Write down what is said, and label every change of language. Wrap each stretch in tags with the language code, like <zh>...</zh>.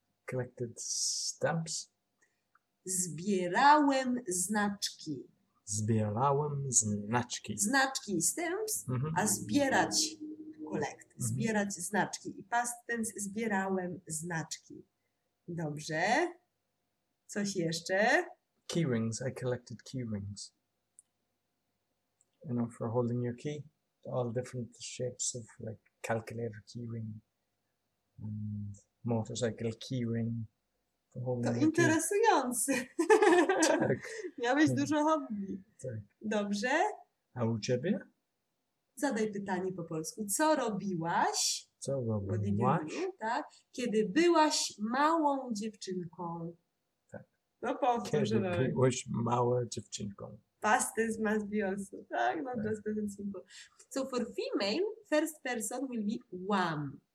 <en>Collected stamps.</en> <pl>Zbierałem znaczki. Zbierałem znaczki. Znaczki i stamps, a zbierać collect, zbierać znaczki. I past tense, zbierałem znaczki. Dobrze. Coś jeszcze?</pl> <en>Keyrings, I collected keyrings. You know, for holding your key, all different shapes of like calculator keyring and motorcycle keyring.</en> <pl>To interesujące. Tak. Miałeś dużo hobby. Tak. Dobrze. A u ciebie? Zadaj pytanie po polsku. Co robiłaś? Co robiłaś? Tak. Kiedy byłaś małą dziewczynką. Tak. No powtórz. Kiedy byłaś małą dziewczynką.</pl> <en>Past tense must be also.</en> <pl>Tak,</pl> <en>no just present simple. So for female, first person will be wam.</en>